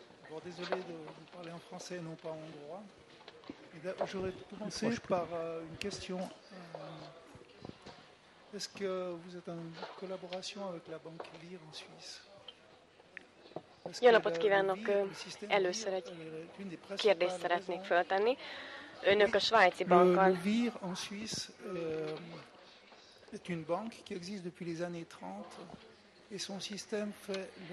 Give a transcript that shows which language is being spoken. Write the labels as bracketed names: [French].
[French] Bon, désolé de vous parler en français, non pas en hongrois. J'aurais commencé par une question. Est-ce que vous êtes en collaboration avec la banque Lire en Suisse? [Hungarian] Jó napot kívánok! Először egy kérdést szeretnék föltenni. Önök a svájci bankkal... [French] Le VIR en Suisse est une banque qui existe depuis les années 30 et son système fait...